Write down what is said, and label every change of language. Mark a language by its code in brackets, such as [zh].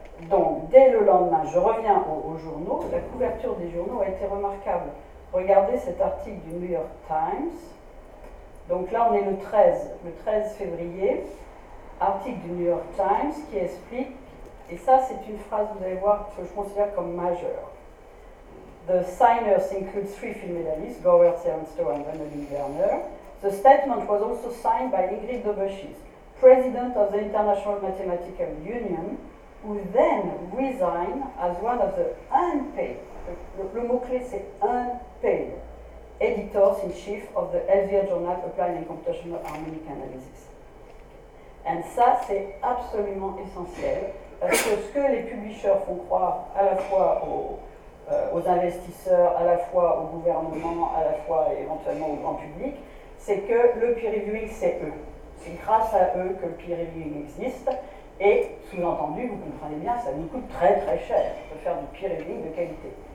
[fr] Donc, dès le lendemain, je reviens aux journaux, la couverture des journaux a été remarquable. Regardez cet article du New York Times. Donc là, on est le 13 février, article du New York Times qui explique, et ça c'est une phrase, vous allez voir, que je considère comme majeure. [en] The signers include 3 film medalists, Gowers, Ernstow and Vendeline Werner. The statement was also signed by Ingrid Dobuschies, president of the International Mathematical Union, who then resigned as one of the unpaid, [fr] le mot-clé c'est unpaid, [en] editors-in-chief of the Elsevier Journal Applied and Computational Harmonic Analysis. [fr] Et ça, c'est absolument essentiel, parce que ce que les publishers font croire à la fois aux investisseurs, à la fois au gouvernement, à la fois éventuellement au grand public, c'est que le peer reviewing, c'est eux. C'est grâce à eux que le peer reviewing existe. Et, sous-entendu, vous comprenez bien, ça nous coûte très très cher de faire du peer reviewing de qualité.